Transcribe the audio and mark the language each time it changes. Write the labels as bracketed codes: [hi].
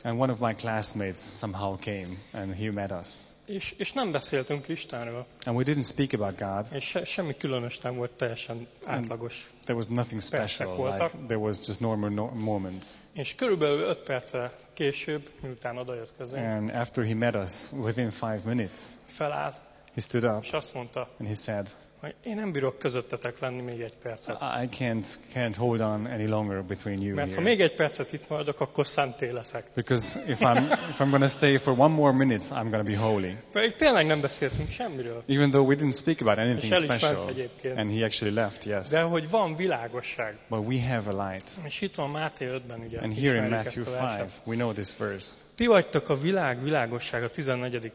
[en] and one of my classmates somehow came and he met us, [hu] és nem beszéltünk Istenről, [en] and we didn't speak about God, [hu] és semmi különös nem volt, teljesen átlagos, [en] there was nothing special, like there was just normal moments, [hu] és körülbelül 5 perccel később, miután odajött közénk, [en] and after he met us within 5 minutes, [hu] felállt, [en] he stood up, [hu] és azt mondta, [en] and he said, [hu] én nem bírok közöttetek lenni még egy percet. [en] I can't hold on any longer between you. [hu] Mert ha még egy percet itt maradok, akkor szenté leszek. [en] Because if I'm going to stay for one more minute, I'm going to be holy. [hu] Pedig tényleg nem beszéltünk semmiről. [en] Even though we didn't speak about anything special. [hu] És el is ment egyébként. [en] And he actually left, yes. [hu] De hogy van világosság. [en] But we have a light. [hu] És itt van Máté 5-ben, ugye? [en] And here in Matthew 5, we know this verse. [hu] Ti vagytok a világ világossága, 14.